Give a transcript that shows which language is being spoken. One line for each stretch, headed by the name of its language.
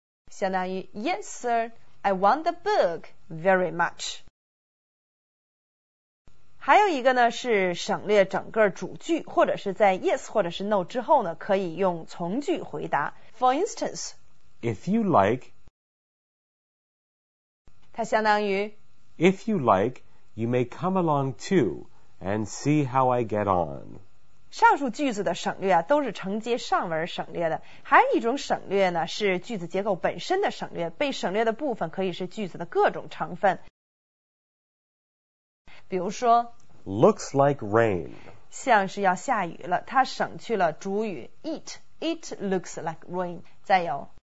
Chinese: 相当于
English: Yes, sir, I want the book very much.
Chinese: 还有一个呢，是省略整个主句，或者是在 Yes 或者是 No 之后呢，可以用从句回答。
English: For instance, If you like,
Chinese: 它相当于
English: If you like, you may come along too and see how I get on.
Chinese: 上述句子的省略啊，都是承接上文省略的。还有一种省略呢，是句子结构本身的省略。被省略的部分可以是句子的各种成分。比如说
English: Looks like rain.
Chinese: 像是要下雨了，它省去了主语 it.
English: It looks like rain.
Chinese: 再有